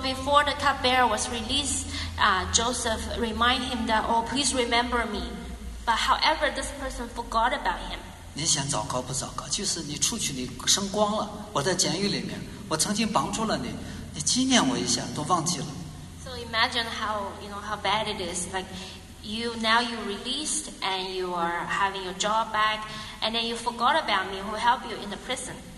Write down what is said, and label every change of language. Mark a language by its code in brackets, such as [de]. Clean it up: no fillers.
[en] before the cupbearer was released, Joseph reminded him that, "Oh, please remember me." But however, this person forgot about him. [zh] 你想糟糕不糟糕？就是你出去，你升官了。我在监狱里面，我曾经帮助了你，你纪念我一下，都忘记了。 [en] So imagine how bad it is, like. You released and you are having your job back, and then you forgot about me who helped you in the prison.